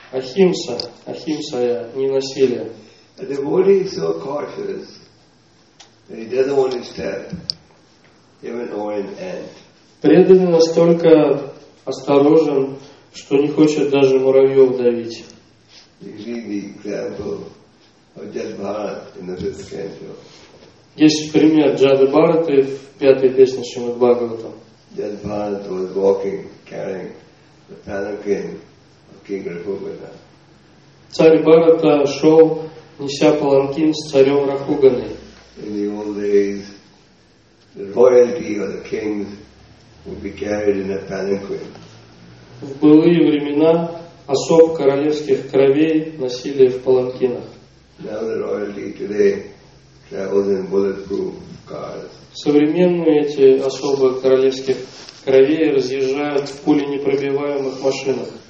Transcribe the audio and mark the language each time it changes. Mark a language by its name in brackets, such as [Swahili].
[Russian] Ахимса, не насилие. [English] A devotee is so cautious that he doesn't want to step even or an ant. [Russian] Преданный настолько осторожен, что не хочет даже муравьев давить. [English] You read the example of Jadbharat in the fifth canto. [Russian] Есть пример Джадбхараты в пятой песне Шримад Бхагаватам. [English] Jadbharat was walking, carrying the palanquin of King Raghuvana. [Russian] Царь Бхарата шел неся паланкин с царем Рахуганой. [English] In the old days, the royalty or the kings would be carried in a palanquin. [Russian] В былые времена особ королевских кровей носили в паланкинах. [English] Now the royalty today travels in bulletproof cars. [Russian] Современные эти особы королевских кровей разъезжают в пуленепробиваемых машинах.